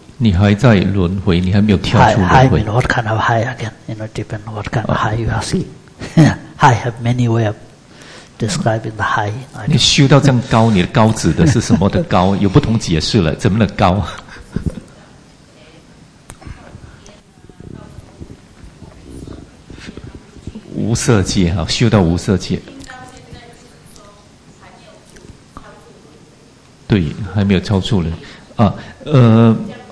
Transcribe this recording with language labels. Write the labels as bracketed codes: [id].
[zh] 你还在轮回，你还没有跳出轮回。I [en] mean, what kind of high again? You know, depend on what kind of high you are seeing. I have many way of describing the high. [zh] 你修到这样高，你的高指的是什么的高？有不同解释了，怎么的高？无色界，修到无色界。对，还没有超出轮回。